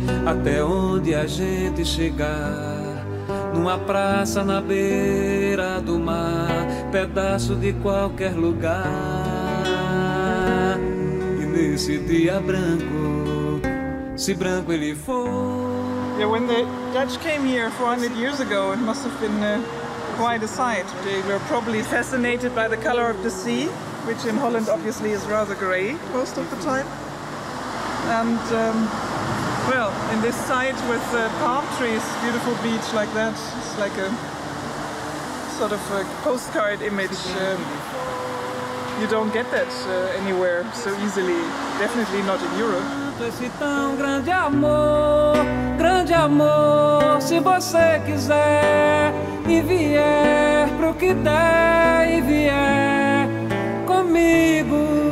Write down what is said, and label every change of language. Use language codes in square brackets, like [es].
[pt] até onde a gente chegar, numa praça na beira do mar, pedaço de qualquer lugar, e nesse dia branco, se branco ele for. [en] Yeah, when the Dutch came here 400 years ago, it must have been quite a sight. They were probably fascinated by the color of the sea, which in Holland obviously is rather gray most of the time. And Well, in this site with the palm trees, beautiful beach like that, it's like a sort of a postcard image. You don't get that anywhere so easily, definitely not in Europe. [pt] Esse tão grande amor, se você quiser e vier pro que der e vier comigo.